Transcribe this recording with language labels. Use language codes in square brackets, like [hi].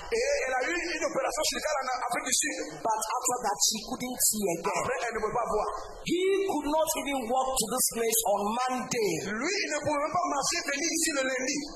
[fr] Et elle a eu une opération chirurgicale en Afrique du Sud. [en] But after that, she couldn't see again. [fr] Après, elle ne pouvait pas voir. [en] He could not even walk to this place on Monday. [fr] Lui, il ne pouvait pas marcher venir ici le lundi.